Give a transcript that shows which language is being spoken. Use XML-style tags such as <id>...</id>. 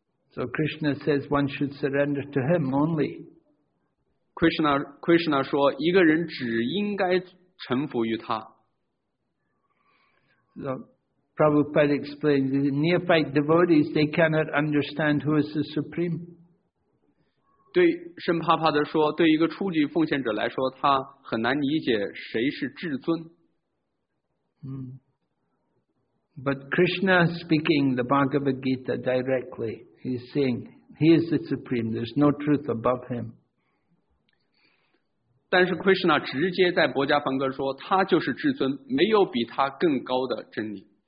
<en>So Krishna says one should surrender to him only.</en> <zh>Krishna 说一个人只应该臣服于他。</zh> <en>So, Prabhupada explains, neophyte devotees, they cannot understand who is the supreme.</en> <zh>对圣帕帕的说，对一个初级奉献者来说，他很难理解谁是至尊。</zh> <en>But Krishna speaking the Bhagavad Gita directly, he's saying he is the supreme. There's no truth above him.</en> <zh>但是 Krishna 直接在薄伽梵歌说，他就是至尊，没有比他更高的真理。</zh>